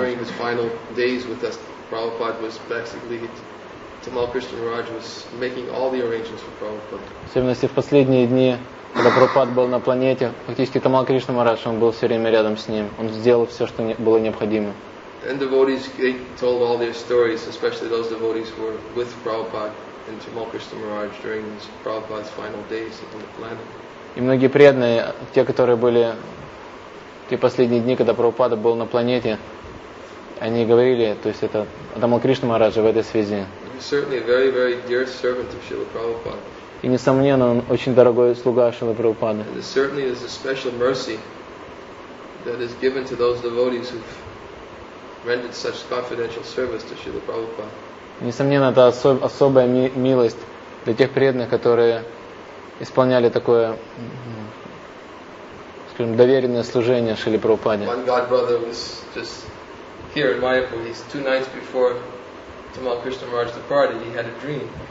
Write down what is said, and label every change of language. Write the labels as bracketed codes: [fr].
[en] During his final days with us, Prabhupada was basically Тамалкришна Махарадж was making all the arrangements for Prabhupada. [ru] Особенности в последние дни. Когда Прабхупад был на планете, фактически Тамалкришна Махарадж, он был все время рядом с ним. Он сделал все, что было необходимо. [en] And devotees, they told all their stories, especially those devotees who were with Prabhupada and Tamalkrishna Maharaj during Prabhupada's final days on the planet. [ru] И многие преданные, те, которые были в те последние дни, когда Прабхупада был на планете, они говорили, то есть это о Тамалкришна Махарадже в этой связи. [en] He's certainly a very, very dear servant of Srila Prabhupada. [ru] И, несомненно, он очень дорогой слуга Шрилы Прабхупады. [en] And certainly there's a special mercy that is given to those devotees who've rendered such confidential service to Srila Prabhupada. [ru] Несомненно, это особая милость для тех преданных, которые исполняли такое скажем, доверенное служение Шриле Прабхупаде. [en] One god brother was just here in Mayapur. He's two nights before Tamal Krishna Maharaj departed. He had a dream.